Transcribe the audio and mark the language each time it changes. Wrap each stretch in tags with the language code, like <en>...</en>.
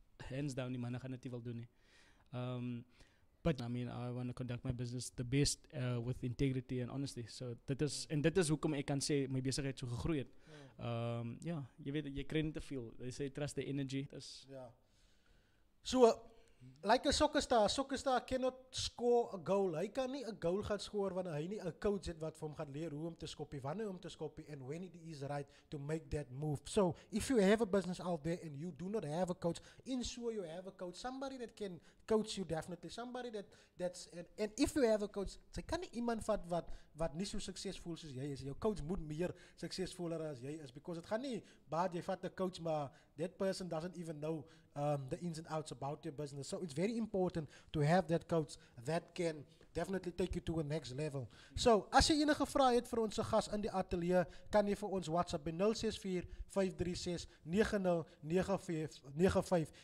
<en>Hands down,</en> <af>die manne gaan dit nie wil doen nie.</af> <en>But I mean, I want to conduct my business the best with integrity and honesty. So that is, and that is</en> <af>hoekom ek kan sê my besigheid so gegroei het. Ja, jy weet, jy kreeg nie te veel.</af> <en>They say trust the energy.</en> <af>Dis</af> <en>so, like a soccer star cannot score a goal.</en> <af>Hy kan nie a goal gaan score wanneer hy nie a coach het wat vir hom gaan leer hoe om te skoppie, wanneer om te skoppie,</af> <en>and when it is right to make that move. So if you have a business out there and you do not have a coach, ensure you have a coach, somebody that can coach you definitely, somebody that that's and if you have a coach,</en> <af>sy kan nie iemand vat wat nie so suksesvol soos jy is. Jou coach moet meer suksesvoller as jy is, because het gaan nie baat jy vat a coach, maar</af> <en>that person doesn't even know the ins and outs about your business. So it's very important to have that coach that can definitely take you to a next level.</en> <af>So, as jy enige vrae het vir ons gas in die atelier, kan jy vir ons WhatsApp by 064-536-9095.</af>